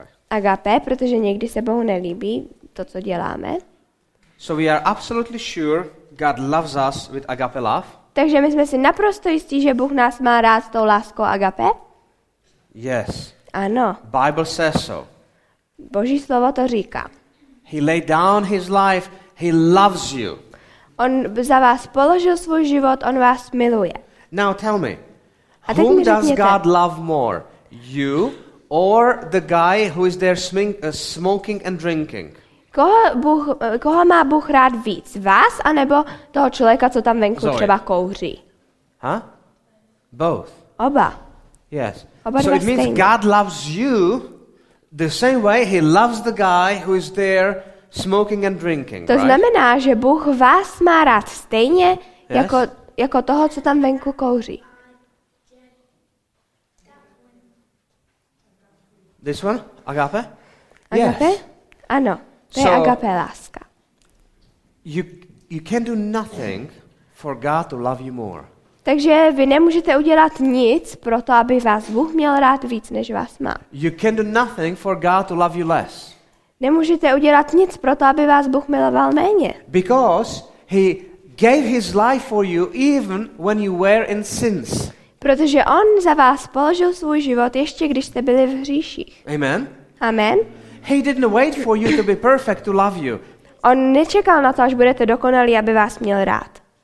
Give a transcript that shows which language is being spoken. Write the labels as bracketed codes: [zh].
[cs] Agape, protože někdy se Bohu nelíbí to, co děláme. [en] So we are absolutely sure God loves us with agape love. [cs] Takže my jsme si naprosto jistí, že Bůh nás má rád s tou láskou agape? [en] Yes. [cs] Ano. [en] Bible says so. [cs] Boží slovo to říká. [en] He laid down his life. He loves you. [cs] On za vás položil svůj život, on vás miluje. [en] Now tell me. Whom does God love more? You or the guy who is there smoking and drinking? [cs] Koho má Bůh rád víc? Vás anebo toho člověka, co tam venku třeba kouří? [en] Huh? Both. [cs] Oba. [en] Yes. So it means God loves you the same way he loves the guy who is there smoking and drinking. [cs] To znamená, že Bůh vás má rád stejně jako toho, co tam venku kouří. [en] This one? Agape? [cs] Agape? Yes. Ano. To je agape láska. [en] You can do nothing for God to love you more. [cs] Takže vy nemůžete udělat nic pro to, aby vás Bůh měl rád víc, než vás má. [en] You can do nothing for God to love you less. [cs] Nemůžete udělat nic pro to, aby vás Bůh miloval méně. [en] Because he gave his life for you even when you were in sins. [cs] Protože on za vás položil svůj život ještě když jste byli v hříších. [en] Amen. [cs] Amen. [en] He didn't wait for you to be perfect to love you. [cs] On nečekal na to, až budete dokonalí, aby vás měl rád.